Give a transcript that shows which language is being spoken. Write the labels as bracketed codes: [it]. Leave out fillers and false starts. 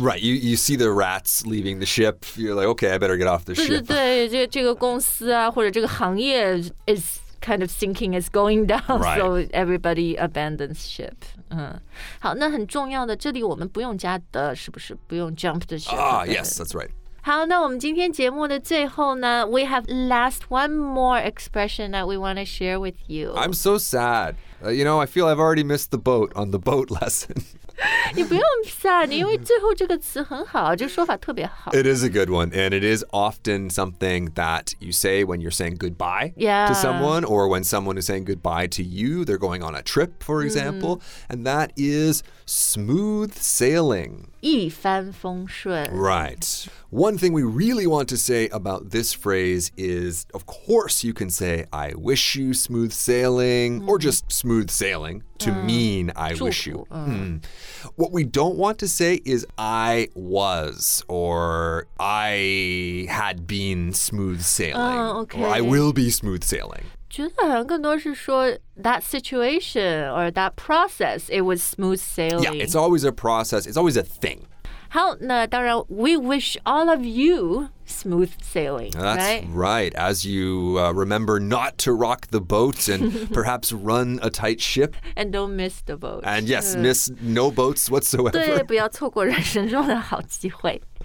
[en] Right, you see the rats leaving the ship. You're like, okay, I better get off the ship. [zh] 对这个公司啊，或者这个行业 is... [en] kind of sinking is going down,、 right. so everybody abandons ship.、 [zh] 好，那很重要的，这里我们不用加的，是不是？不用 jump the ship. [en] Yes, that's right. [zh] 好，那我们今天节目的最后呢 [en] we have last one more expression that we want to share with you. I'm so sad.、you know, I feel I've already missed the boat on the boat lesson. [zh] 你不用 sad, 因为最后这个词很好，这个说法特别好。 [en] It is a good one, and it is often something that you say when you're saying goodbye、 yeah. to someone, or when someone is saying goodbye to you, they're going on a trip, for example,、and that is smooth sailing. [zh] 一帆风顺。 [en] Right. One thing we really want to say about this phrase is, of course you can say, I wish you smooth sailing,、or just smooth sailing. To mean I wish you.、What we don't want to say is I was or I had been smooth sailing、 okay. or I will be smooth sailing. [zh] 觉得好像更多是说 [en] that situation or that process, it was smooth sailing. Yeah, it's always a process. It's always a thing. [zh] 好，那当然 [en] we wish all of you smooth sailing. That's right. As you remember not to rock the boat and perhaps run a tight ship. And don't miss the boat. And yes, miss no boats whatsoever. [zh] 对，不要错过人生中的好机会。